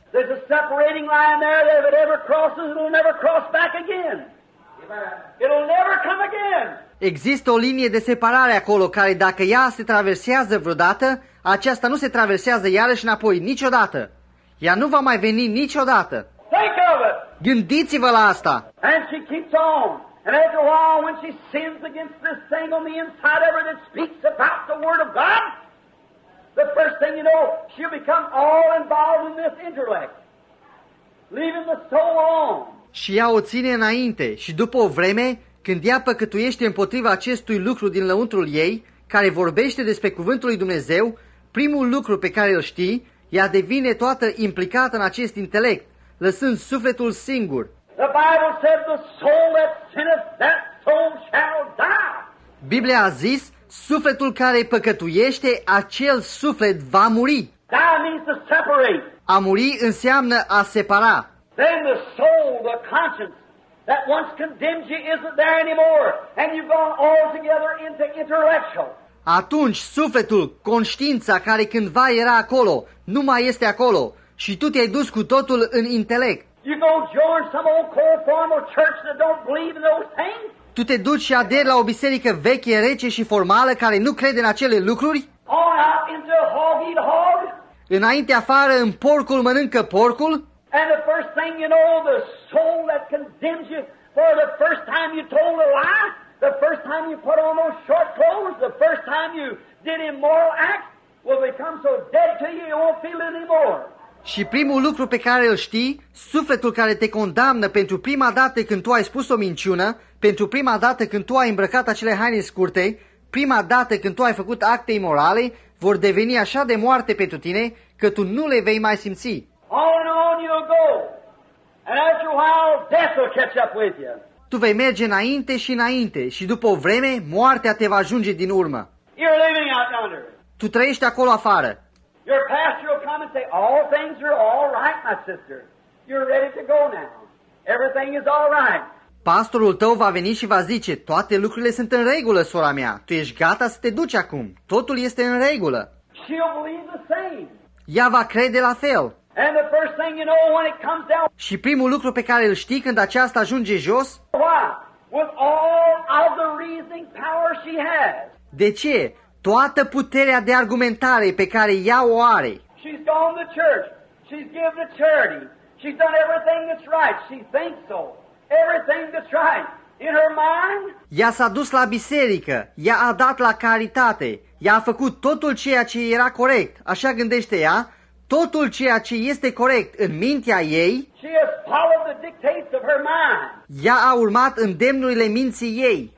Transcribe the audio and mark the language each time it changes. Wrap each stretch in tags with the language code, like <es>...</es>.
<en>There's a separating line there that if it ever crosses, it'll never cross back again. It'll never come again.</en> <ro>Există o linie de separare acolo care dacă ea se traversează vreodată, aceasta nu se traversează iarăși înapoi niciodată. Ea nu va mai veni niciodată.</ro> <en>Think of it.</en> <ro>Gândiți-vă la asta.</ro> <en>And she keeps on. And after a while when she sins against this thing on the inside of her that speaks about the word of God, the first thing you know, she'll become all involved in this intellect. Leaving the soul on.</en> <ro>Și ea o ține înainte și după o vreme, când ea păcătuiește împotriva acestui lucru din lăuntrul ei, care vorbește despre cuvântul lui Dumnezeu, primul lucru pe care îl știi, ea devine toată implicată în acest intelect, lăsând sufletul singur.</ro> <en>The Bible said, the soul that sinneth, that soul shall die.</en> <ro>Biblia a zis, sufletul care păcătuiește, acel suflet va muri.</ro> <en>Die means to separate.</en> <ro>A muri înseamnă a separa.</ro> <en>Then the soul, the conscience, that once condemned you isn't there anymore, and you've gone altogether into intellectual.</en> <ro>Atunci sufletul, conștiința care cândva era acolo, nu mai este acolo, și tu te-ai dus cu totul în intelect.</ro> <en>You go join some old cold formal church that don't believe in those things?</en> <ro>Tu te duci și aderi la o biserică veche, rece și formală care nu crede în acele lucruri?</ro> <en>On out into hog eat hog?</en> <ro>Înainte afară, în porcul mănâncă porcul?</ro> <en>And the first thing you know, the soul that condemns you for the first time you told a lie, the first time you put on those short clothes, the first time you did immoral acts, will become so dead to you, you won't feel it anymore.</en> <ro>Și primul lucru pe care îl știi, sufletul care te condamnă pentru prima dată când tu ai spus o minciună, pentru prima dată când tu ai îmbrăcat acele haine scurte, prima dată când tu ai făcut acte imorale, vor deveni așa de moarte pentru tine că tu nu le vei mai simți.</ro> <en>On and on you'll go. And after a while, death will catch up with you.</en> <ro>Tu vei merge înainte și înainte și după o vreme, moartea te va ajunge din urmă.</ro> <en>You're living out yonder.</en> <ro>Tu trăiești acolo afară.</ro> <en>Your pastor will come and say, all things are all right, my sister. You're ready to go now. Everything is all right.</en> <ro>Pastorul tău va veni și va zice, toate lucrurile sunt în regulă, sora mea. Tu ești gata să te duci acum. Totul este în regulă.</ro> <en>She'll believe the same.</en> <ro>ea va crede la fel.</ro> <en>And the first thing you know when it comes down.</en> <ro>Și primul lucru pe care îl știi când aceasta ajunge jos.</ro> <en>Why? With all of the reasoning power she has.</en> <ro>De ce? Toată puterea de argumentare pe care ea o are.</ro> <en>She's gone to church. She's given to charity. She's done everything that's right. She thinks so. Everything that's right. In her mind.</en> <ro>Ea s-a dus la biserică. Ea a dat la caritate. Ea a făcut totul ceea ce era corect. Așa gândește ea. Totul ceea ce este corect în mintea ei.</ro> <en>She has followed the dictates of her mind.</en> <ro>Ea a urmat îndemnurile minții ei.</ro>